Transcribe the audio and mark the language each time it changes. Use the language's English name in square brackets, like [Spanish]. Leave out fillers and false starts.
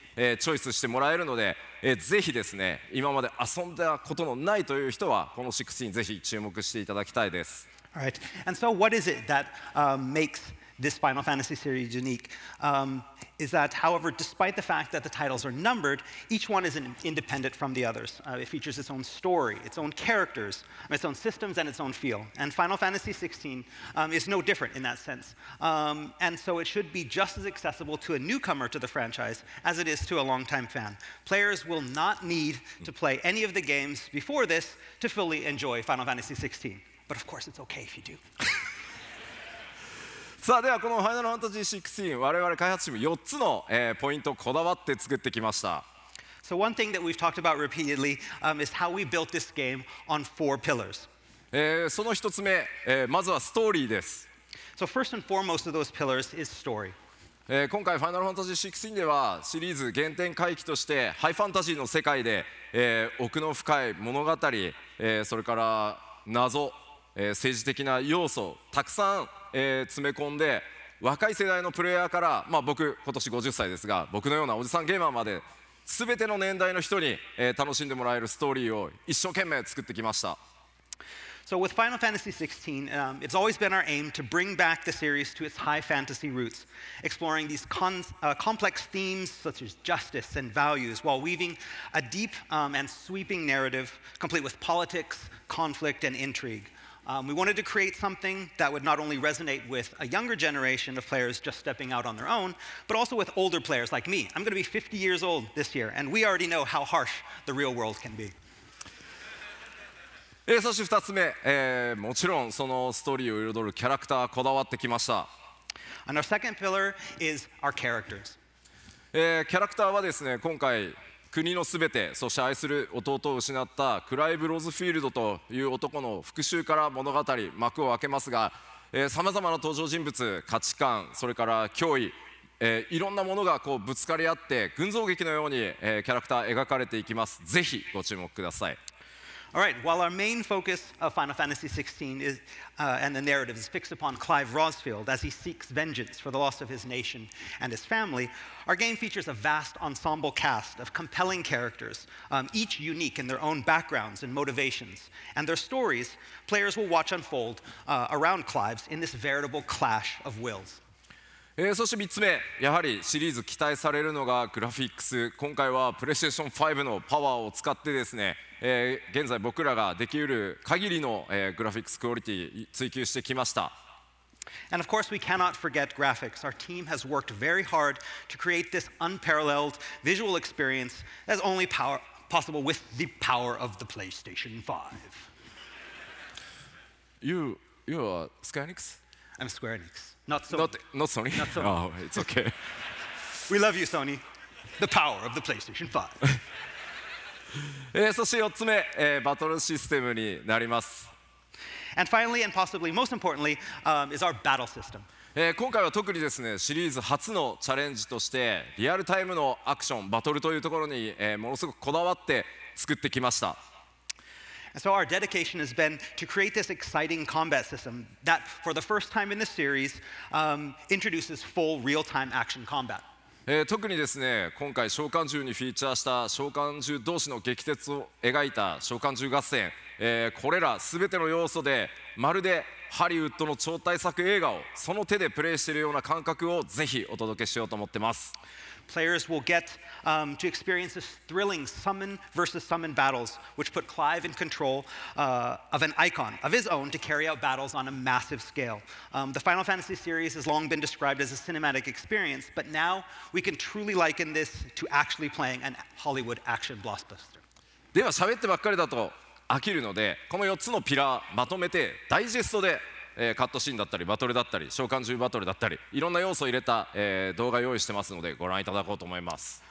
[Japanese] チョイスしてもらえるので、ぜひですね、今まで遊んだことのないという人はこの16にぜひ注目していただきたいです。 [English] Alright, and so what is it that makes this Final Fantasy series unique? Is that, however, despite the fact that the titles are numbered, each one is independent from the others. It features its own story, its own characters, its own systems, and its own feel. And Final Fantasy 16 is no different in that sense. And so it should be just as accessible to a newcomer to the franchise as it is to a longtime fan. Players will not need to play any of the games before this to fully enjoy Final Fantasy 16. But of course, it's okay if you do. [Japanese] さあではこのファイナルファンタジー16、我々開発チーム4つの、ポイントをこだわって作ってきました。 [English] So one thing that we've talked about repeatedly, is how we built this game on four pillars. [Japanese] その一つ目、まずはストーリーです。 [English] So first and foremost of those pillars is story. [Japanese] 今回ファイナルファンタジー16ではシリーズ原点回帰としてハイファンタジーの世界で、奥の深い物語、それから謎、政治的な要素たくさん詰め込んで若い世代のプレイヤーから、まあ、僕今年50歳ですが僕のようなおじさんゲーマーまで全ての年代の人に、楽しんでもらえるストーリーを一生懸命作ってきました。 [English] So with Final Fantasy 16, it's always been our aim to bring back the series to its high fantasy roots, exploring these complex themes such as justice and values, while weaving a deep and sweeping narrative complete with politics, conflict and intrigue. We wanted to create something that would not only resonate with a younger generation of players just stepping out on their own, but also with older players like me. I'm going to be 50 years old this year, and we already know how harsh the real world can be. [Japanese] そして2つ目、もちろんそのストーリーを彩るキャラクターこだわってきました。 [English] And our second pillar is our characters. [Japanese] キャラクターはですね、今回国のすべて、そして愛する弟を失ったクライブ・ロズフィールドという男の復讐から物語、幕を開けますが、さまざまな登場人物、価値観、それから脅威、いろんなものがこうぶつかり合って、群像劇のように、キャラクター描かれていきます。ぜひご注目ください。 [English] Alright, while our main focus of Final Fantasy 16 is, and the narrative is fixed upon Clive Rosfield as he seeks vengeance for the loss of his nation and his family, our game features a vast ensemble cast of compelling characters, each unique in their own backgrounds and motivations. And their stories, players will watch unfold around Clive's in this veritable clash of wills. [Japanese] そして3つ目、やはりシリーズ期待されるのがグラフィックス。今回はプレイステーション5のパワーを使ってですね、現在僕らができうる限りの、グラフィックスクオリティ追求してきました。 [English] And of course, we cannot forget graphics. Our team has worked very hard to create this unparalleled visual experience that's only possible with the power of the PlayStation 5. You are Square Enix? I'm Square Enix. Not Sony. Not Sony. Not Sony. Oh, it's okay. We love you, Sony. The power of the PlayStation 5. [Japanese] そして4つ目、バトルシステムになります。 [English] And finally, and possibly most importantly, is our battle system. [Japanese] 今回は特にですね、シリーズ初のチャレンジとして、リアルタイムのアクション、バトルというところに、ものすごくこだわって作ってきました。 [English] So our dedication has been to create this exciting combat system that, for the first time in the series, introduces full real-time action combat. [Japanese] 特にですね、今回召喚獣にフィーチャーした召喚獣同士の激突を描いた召喚獣合戦、これら全ての要素でまるでハリウッドの超大作映画をその手でプレイしているような感覚をぜひお届けしようと思ってます。 [English] Players will get to experience this thrilling summon versus summon battles, which put Clive in control of an icon of his own to carry out battles on a massive scale. The Final Fantasy series has long been described as a cinematic experience, but now we can truly liken this to actually playing an Hollywood action blockbuster. [Japanese] では喋ってばっかりだと飽きるので、この4つのピラーまとめてダイジェストで、カットシーンだったりバトルだったり召喚獣バトルだったりいろんな要素を入れた、動画用意してますのでご覧いただこうと思います。